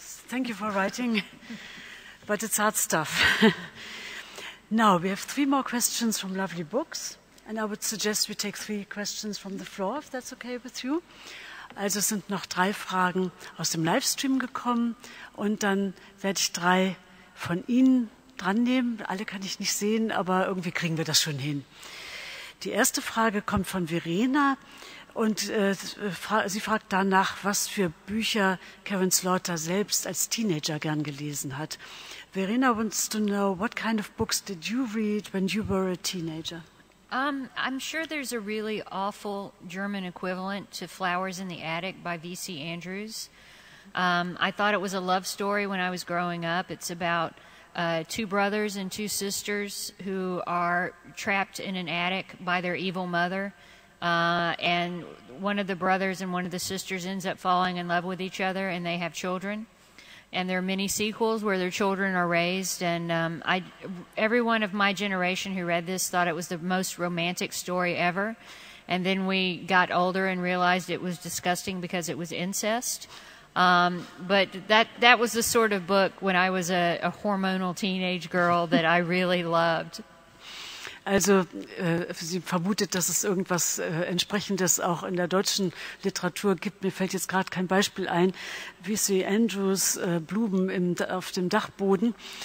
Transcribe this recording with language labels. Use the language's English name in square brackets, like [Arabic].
[English] Thank you for writing, but it's hard stuff. Now, we have three more questions from lovely books, and I would suggest we take three questions from the floor, if that's okay with you. [German] Also es sind noch drei Fragen aus dem Livestream gekommen, und dann werde ich drei von Ihnen drannehmen. Alle kann ich nicht sehen, aber irgendwie kriegen wir das schon hin. Die erste Frage kommt von Verena, und sie fragt danach, was für Bücher Karen Slaughter selbst als Teenager gern gelesen hat. [English] Verena wants to know, what kind of books did you read when you were a teenager? I'm sure there's a really awful German equivalent to Flowers in the Attic by V.C. Andrews. I thought it was a love story when I was growing up. It's about two brothers and two sisters who are trapped in an attic by their evil mother. And one of the brothers and one of the sisters ends up falling in love with each other, and they have children. And there are many sequels where their children are raised. And every one of my generation who read this thought it was the most romantic story ever. And then we got older and realized it was disgusting because it was incest. But that was the sort of book when I was a hormonal teenage girl that I really loved. [German] Also sie vermutet, dass es irgendwas Entsprechendes auch in der deutschen Literatur gibt. Mir fällt jetzt gerade kein Beispiel ein. V.C. Andrews, Blumen auf dem Dachboden.